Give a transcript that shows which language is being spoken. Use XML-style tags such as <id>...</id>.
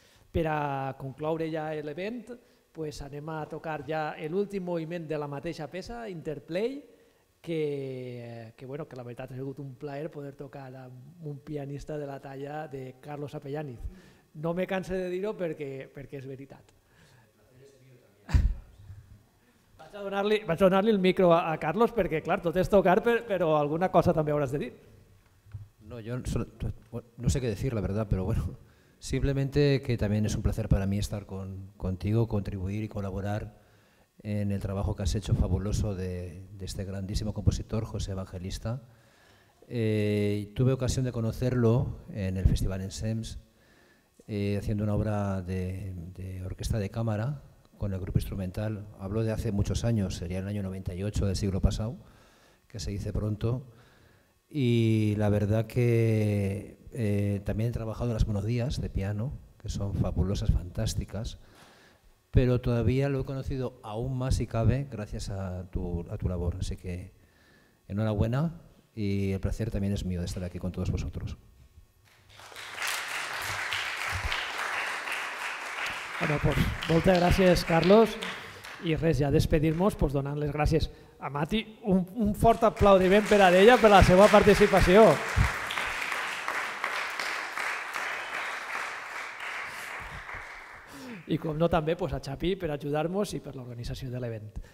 <ca>Per a concloure ja l'event, pues anem a tocar ja l'últim moviment de la mateixa peça, Interplay, que bueno, que la veritat ha sigut un plaer poder tocar amb un pianista de la talla de Carlos Apellániz. No me canse de dir-ho perquè és veritat. Vaig a donar-li el micro a Carlos perquè clar, tot és tocar, però alguna cosa també hauràs de dir. No, jo no sé què dir, la veritat, però bueno.</ca> <es>Simplemente que también es un placer para mí estar contigo, contribuir y colaborar en el trabajo que has hecho fabuloso de este grandísimo compositor, José Evangelista. Tuve ocasión de conocerlo en el Festival Ensemble, haciendo una obra de orquesta de cámara con el grupo instrumental. Hablo de hace muchos años, sería el año 98 del siglo pasado, que se dice pronto. Y la verdad que también he trabajado las monodías de piano, que son fabulosas, fantásticas, pero todavía lo he conocido aún más si cabe gracias a tu labor. Así que enhorabuena y el placer también es mío de estar aquí con todos vosotros. Bueno, pues muchas gracias, Carlos.</es> <ca>I res, ja despedir-nos pues, donant les gràcies a Mati. Un fort aplaudiment per a ella per la seva participació. I com no també pues, a Xapi per ajudar-nos i per l'organització de l'event.</ca>